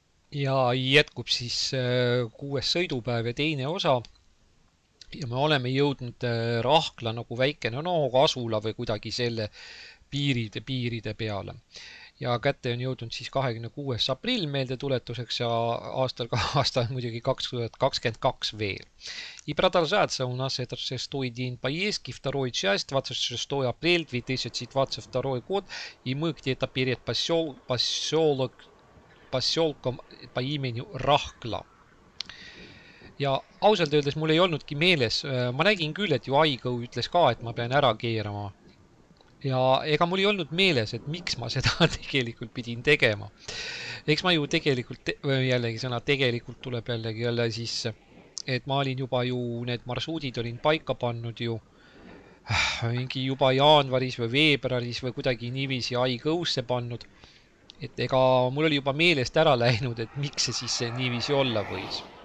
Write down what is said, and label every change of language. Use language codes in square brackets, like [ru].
[et] ja jätkub siis kuues sõidupäev ja teine osa. Ja me oleme jõudnud Rahkla nagu väikene noo asula või kuidagi selle piiride peale. Ja kätte on jõudnud siis 26. aprill meelde tuletuseks ja aastal muidugi 2022 veel. [ru] I продолжается у нас этот шестой день поездки, второй часть, 26 апреля 2022 год, и мы где-то перед поселком по имени Rahkla. [et] Ja ausalt öeldes mul ei olnudki meeles, ma nägin küll, et ju Aigo ütles ka, et ma pean ära keerama. Ja ega mul ei olnud meeles, et miks ma seda tegelikult pidin tegema. Eks ma ju tegelikult, jällegi sõna, tegelikult tuleb jälle sisse, et ma olin juba ju, need marsuudid olin paika pannud ju, mingi juba jaanvaris või veebraris või kuidagi niivisi Aigoosse pannud, et ega mul oli juba meelest ära läinud, et miks see siis niivisi olla võis.